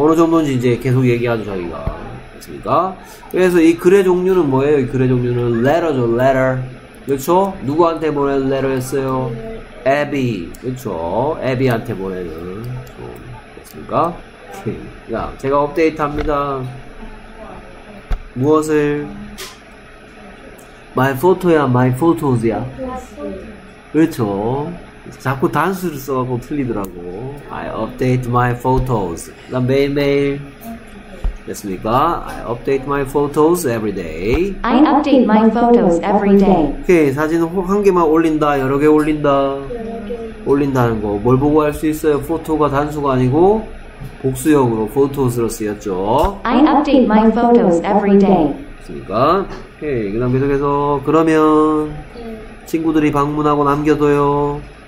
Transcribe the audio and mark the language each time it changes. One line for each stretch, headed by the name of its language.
Korean: 어느 정도인지 이제 계속 얘기하죠, 자기가. 그래서 이 글의 종류는 뭐예요? 이 글의 종류는 letter죠, letter. 그렇죠? 누구한테 보낸 letter였어요? Abby. 그렇죠? Abby한테 보내는. 됐습니까? 자, 제가 업데이트합니다. 무엇을?
English: My photo야, my photos야.
Korean: 그렇죠? 자꾸 단수를 써갖고 틀리더라고.
English: I update my photos.
Korean: 난 매일매일. 됐습니까?
English: I update my photos every day. I update my photos every day.
Korean: 오케이. 사진 한 개만 올린다. 여러 개 올린다. 올린다는 거. 뭘 보고 할 수 있어요? 포토가 단수가 아니고 복수형으로 photos로 쓰였죠.
English: I update my photos every day.
Korean: 됐습니까? 오케이. 그 다음 계속해서 그러면 친구들이 방문하고 남겨둬요.